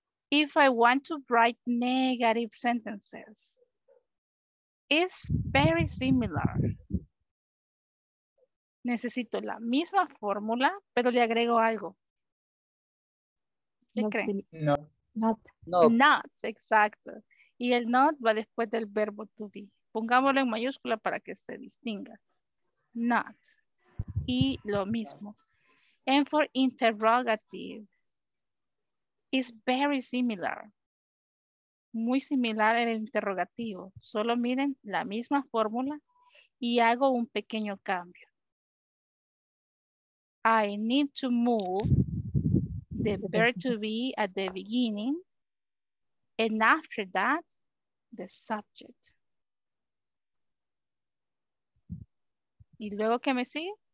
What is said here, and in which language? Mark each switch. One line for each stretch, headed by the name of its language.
English: If I want to write negative sentences, it's very similar.
Spanish: Necesito la misma fórmula, pero le agrego algo. ¿Qué creen?
English: Not.
Spanish: Exacto. Y el not va después del verbo to be. Pongámoslo en mayúscula para que se distinga. Not. Y lo mismo.
English: And for interrogative, it's very similar.
Spanish: Muy similar el interrogativo. Solo miren la misma fórmula y hago un pequeño cambio.
English: I need to move the verb to be at the beginning and after that, the subject.
Spanish: ¿Y luego qué me sigue?